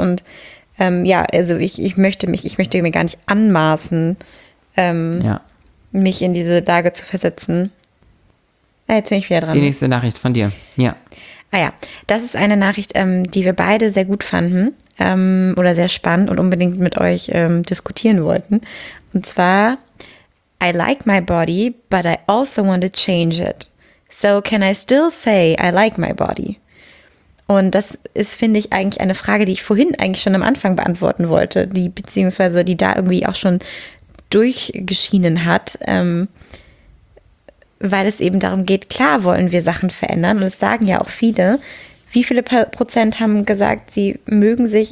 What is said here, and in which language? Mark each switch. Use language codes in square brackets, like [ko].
[de] Und also ich möchte mir gar nicht anmaßen, mich in diese Lage zu versetzen. Jetzt bin ich wieder dran. Die nächste Nachricht von dir. Ja. Ah ja, das ist eine Nachricht, die wir beide sehr gut fanden oder sehr spannend und unbedingt mit euch diskutieren wollten. Und zwar, [en] I like my body, but I also want to change it. So can I still say I like my body? [de] Und das ist, finde ich, eigentlich eine Frage, die ich vorhin eigentlich schon am Anfang beantworten wollte, beziehungsweise die da irgendwie auch schon durchgeschienen hat. Weil es eben darum geht, klar wollen wir Sachen verändern. Und es sagen ja auch viele. Wie viele Prozent haben gesagt, sie mögen sich?